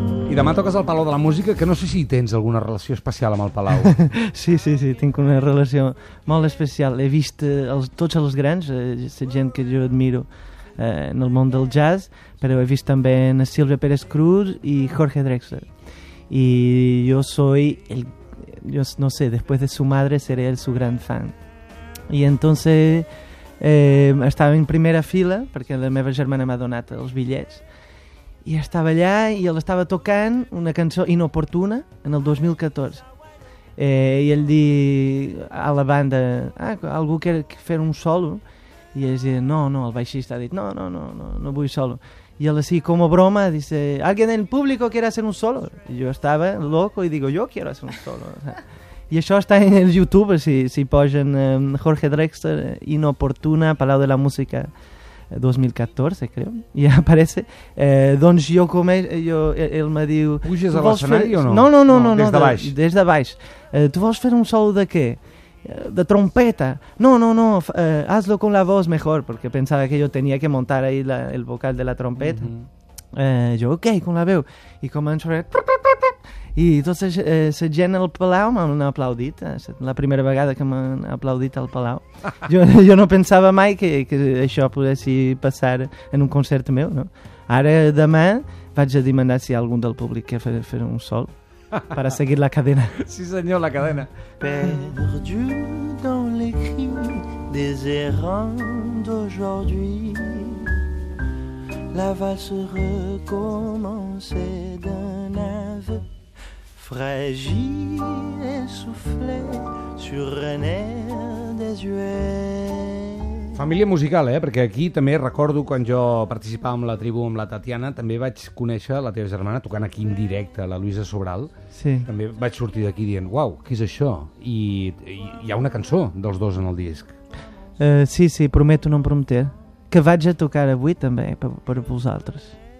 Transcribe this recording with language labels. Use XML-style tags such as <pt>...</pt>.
<ca>I demà toques al Palau de la Música, que no sé si tens alguna relació especial amb el Palau. Sí, sí, sí, tinc una relació molt especial. He vist tots els grans, la gent que jo admiro en el món del jazz, però he vist també a Silvia Pérez Cruz i Jorge Drexler.</ca> <es>I jo soy el, yo no sé, después de su madre seré el su gran fan.</es> <ca>I</ca> <es>entonces</es> <ca>estava en primera fila, perquè la meva germana m'ha donat els bitllets, i estava allà i ell estava tocant una cançó inoportuna en el 2014. I ell diu a la banda, ah, algú quer fer un solo? I ell diu, no, no, el baixista ha dit, no, no, no, no, no vull solo. I ell així, com a broma,</ca> <es>dice, alguien en el público quiere hacer un solo.</es> <ca>I jo estava</ca> <es>loco i digo, yo quiero hacer un solo.</es> <ca>I això està en el YouTube, si posen Jorge Drexler, inoportuna, Palau de la Música 2014,</ca> <es>creo.</es> <ca>I aparece. Doncs jo com ell me diu... Puges a l'escenari o no? No, no, no, no. Des de baix. Des de baix. Tu vols fer un solo de què? De trompeta. No, no, no,</ca> <es>hazlo con la voz mejor,</es> <ca>perquè pensava que jo tenia que muntar ahí el vocal de la trompeta. Mm-hmm. Jo, ok,</ca> <es>con la</es> <ca>veu. I començo a... I tota la gent al Palau m'han aplaudit. La primera vegada que m'han aplaudit al Palau. Jo no pensava mai que això poguessi passar en un concert meu, no? Ara, demà, vaig a demanar si algun del públic que fer un sol per a seguir la cadena. Sí, senyor, la cadena.</ca> <fr>Perdu dans les cris des errants d'aujourd'hui, la valse recommence d'un ave fragile et soufflé sur un air désuet.</fr> <ca>Família musical, eh? Perquè aquí també recordo quan jo participava amb la tribu amb la Tatiana, també vaig conèixer la teva germana tocant aquí en directe, la Luisa Sobral. Sí. També vaig sortir d'aquí dient, uau, què és això? I hi ha una cançó dels dos en el disc. Sí, Prometo no em prometer, que vaig a tocar avui també per vosaltres.</ca>